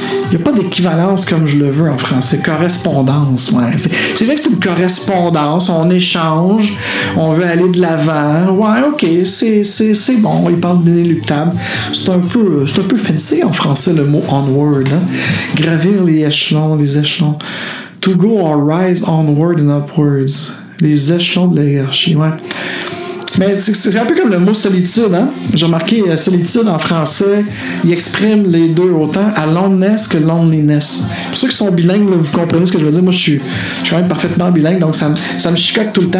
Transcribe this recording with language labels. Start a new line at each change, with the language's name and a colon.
French: Il n'y a pas d'équivalence comme je le veux en français. Correspondance, ouais. C'est vrai que c'est une correspondance. On échange. On veut aller de l'avant. Ouais, OK, c'est bon. Il parle d'inéluctable. C'est un peu fancy en français, le mot onward. Hein? Gravir les échelons.
English: To go or rise onward and upwards.
French: Les échelons de la hiérarchie, ouais. Mais c'est un peu comme le mot solitude, hein? J'ai remarqué, solitude en français, il exprime les deux autant aloneness que loneliness. Pour ceux qui sont bilingues, là, vous comprenez ce que je veux dire. Moi, je suis quand même parfaitement bilingue, donc ça me chicote tout le temps.